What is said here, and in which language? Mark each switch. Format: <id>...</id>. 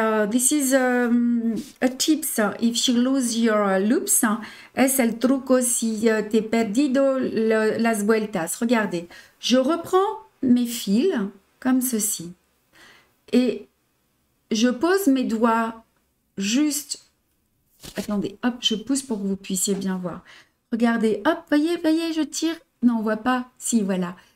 <en>This is a tips if you lose your loops.</en> <es>Es el truco si te perdido las vueltas.</es> <fr>Regardez, je reprends mes fils comme ceci et je pose mes doigts juste. Attendez, hop, je pousse pour que vous puissiez bien voir. Regardez, hop, voyez, voyez, je tire. Non, on voit pas. Si, voilà.</fr>